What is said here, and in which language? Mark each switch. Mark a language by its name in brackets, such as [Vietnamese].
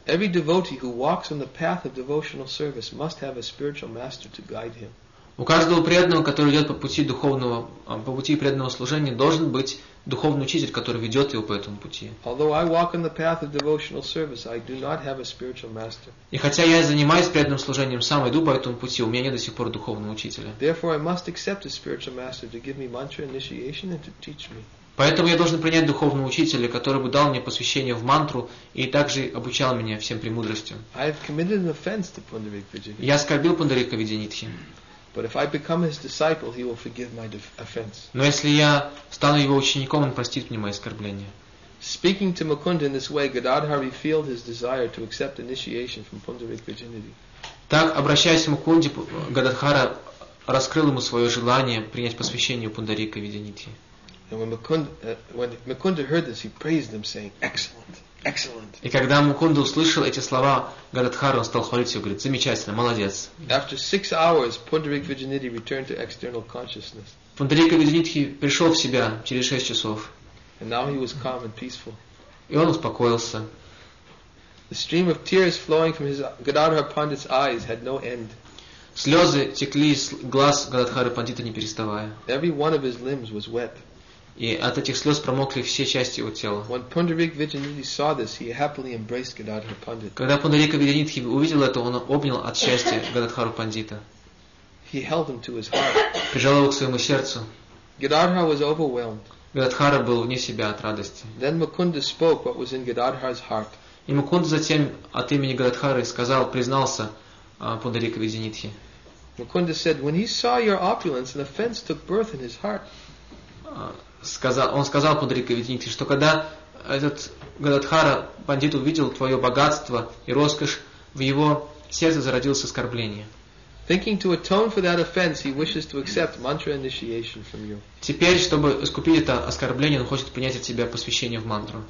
[English] Every devotee who walks on the path of devotional service must have a spiritual master to guide him. [Russian] У каждого преданного, который идет по пути преданного служения, должен быть духовный учитель, который ведет его по этому пути. [English] Although I walk on the path of devotional service, I do not have a spiritual master. [Russian] И хотя я занимаюсь преданным служением, сам иду по этому пути, у меня нет до сих пор духовного учителя. [English] Therefore, I must accept a spiritual master to give me mantra initiation and to teach me. [Russian] Поэтому я должен принять духовного учителя, который бы дал мне посвящение в мантру и также обучал меня всем премудростям. [English] I have committed an offense to Pundarika Vidyanidhi. [Russian] Я оскорбил Пундарика Виджинидхи. [English] But if I become his disciple, he will forgive my offense. [Russian] Но если я стану его учеником, он простит мне мои оскорбления. [English] Speaking to Mukunda in this way, Gadadhar revealed his desire to accept initiation from Pundarik Vidyanidhi. [Russian] Так, обращаясь к Мукунде, Гададхара раскрыл ему свое желание принять посвящение у Пундарика Виджинидхи. [English] And when Mukunda heard this, he praised him, saying, "Excellent, excellent." [Russian] И когда Мукунда услышал эти слова Гададхары, он стал хвалить его, говорит, замечательно, молодец. [English] After 6 hours, Pundarika Viddhi returned to external consciousness. [Russian] Пундарика Виджинидхи пришел в себя через 6 часов. [English] And now he was calm and peaceful. [Russian] И он успокоился. [English] The stream of tears flowing from his Gadadhar Pandit's eyes had no end. [Russian] Слезы текли из глаз Гададхары Пандита не переставая. [English] Every one of his limbs was wet. [Russian] И от этих слез промокли все части его тела. [English] When Pundarik Viddhi saw this, he happily embraced Gadadhar Pandit. [Russian] Когда Пундарика Виджинидхи увидел это, он обнял от счастья Гададхару Пандита. [English] He held him to his heart. [Russian] Прижал его к своему сердцу. [English] Gadadhar was overwhelmed. [Russian] Гададхара был вне себя от радости. [English] Then Mukunda spoke what was in Gadadhar's heart. [Russian] И Мукунда затем от имени Гададхары сказал, признался Пундарика Виджинидхи. [English] Mukunda said, when he saw your opulence, an offense took birth in his heart. [Russian] Он сказал Пундарика Виджинидхи, что когда этот Гададхара пандит увидел твое богатство и роскошь, в его сердце зародилось оскорбление. [English] Thinking to atone for that offense, he wishes to accept mantra initiation from you. [Russian] Теперь, чтобы искупить это оскорбление, он хочет принять от тебя посвящение в мантру.